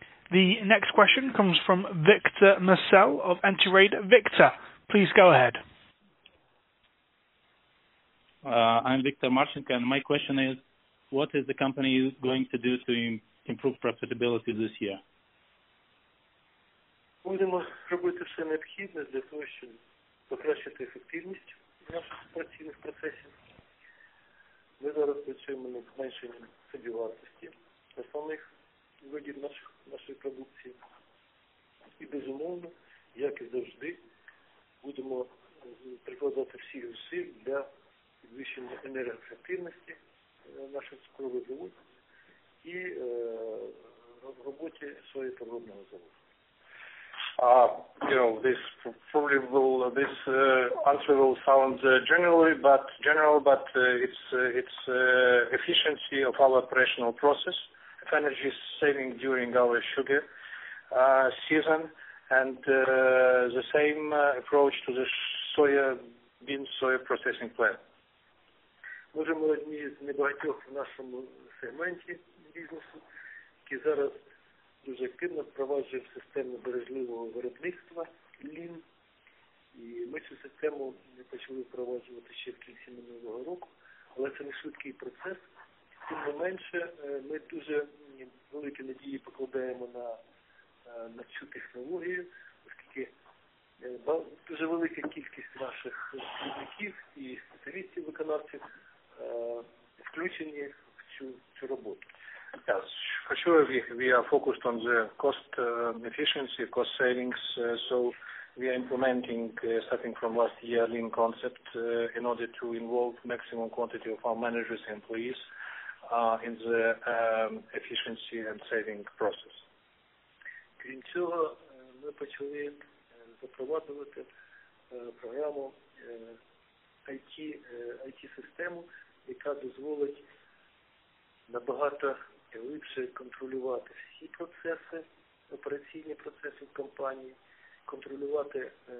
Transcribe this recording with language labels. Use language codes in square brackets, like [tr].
[en] The next question comes from Victor Marcel of Entrade. Victor, please go ahead. I'm Viktor Marchenko, and my question is, what is the company going to do to improve profitability this year? [uk] Будемо робити все необхідне для того, щоб покращити ефективність наших працівних процесів. Ми зараз працюємо над зменшенням собівартості основних видів нашої продукції. І, безумовно, як і завжди, будемо прикладати всі зусилля для підвищення енергоефективності наших цукрових заводів і роботи своєї переробного заводу. [en] You know, this probably will this answer will sound general, but it's efficiency of our operational process, of energy saving during our sugar season, and the same approach to the soya processing plant. [uk] Можемо одні з небагатьох в нашому сегменті бізнесу, які зараз дуже активно впроваджує систему бережливого виробництва Lean. І ми цю систему почали впроваджувати ще в кінці минулого року, але це не швидкий процес. Тим не менше, ми дуже великі надії покладаємо на цю технологію, оскільки дуже велика кількість наших працівників і спеціалістів-виконавців включені в цю роботу. [en] Yes, for sure we are focused on the cost efficiency, cost savings, so we are implementing, starting from last year, Lean concept in order to involve maximum quantity of our managers and employees in the efficiency and saving process. [uk] Крім цього, ми почали запроваджувати програму IT-систему, яка дозволить набагато глибше контролювати всі процеси, операційні процеси в компанії, контролювати